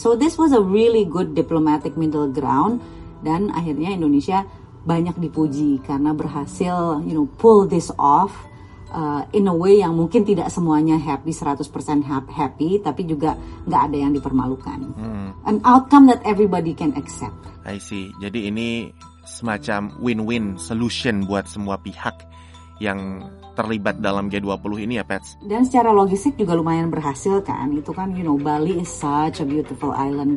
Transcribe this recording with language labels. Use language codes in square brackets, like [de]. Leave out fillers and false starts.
[en] So this was a really good diplomatic middle ground. [id] Dan akhirnya Indonesia banyak dipuji karena berhasil, [en] you know, pull this off in a way [id] yang mungkin tidak semuanya happy, 100% happy, tapi juga gak ada yang dipermalukan. [en] An outcome that everybody can accept. [id] I see, jadi ini semacam win-win solution buat semua pihak yang terlibat dalam G20 ini ya, Pets. Dan secara logistik juga lumayan berhasil kan. Itu kan, [en] you know, Bali is such a beautiful island.